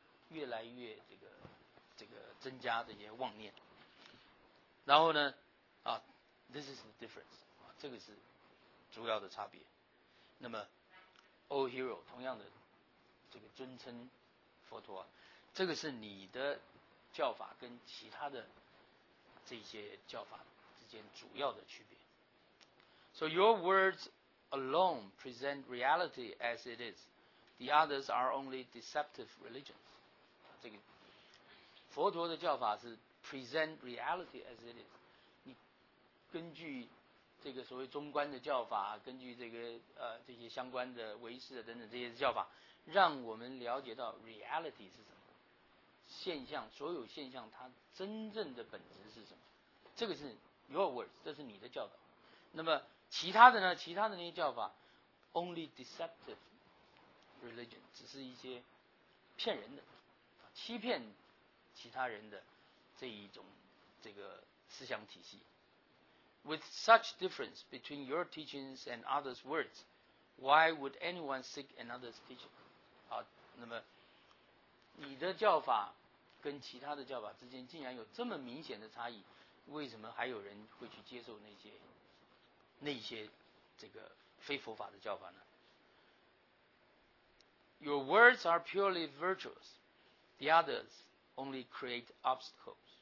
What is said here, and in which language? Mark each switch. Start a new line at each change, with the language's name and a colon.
Chinese: 越来越这个增加这些妄念，然后呢，啊 ，
English: this is the difference，
Chinese: 啊，这个是主要的差别。那么 ，
English: O hero，
Chinese: 同样的这个尊称佛陀、啊，这个是你的教法跟其他的这些教法之间主要的区别。
English: So your words alone present reality as it is; the others are only deceptive religions.
Chinese: 这个佛陀的教法是
English: present reality as it is，
Chinese: 你根据这个所谓中观的教法，根据这个这些相关的唯识等等这些教法，让我们了解到 reality 是什么现象，所有现象它真正的本质是什么，这个是
English: your words，
Chinese: 这是你的教导。那么其他的呢，其他的那些教法
English: only deceptive religion，
Chinese: 只是一些骗人的，欺骗其他人的这一种这个思想体系。
English: With such difference between your teachings and others' words, why would anyone seek another's teaching?
Chinese: 好，那么你的教法跟其他的教法之间竟然有这么明显的差异，为什么还有人会去接受那些这个非佛法的教法呢？
English: Your words are purely virtuous. The others only create obstacles.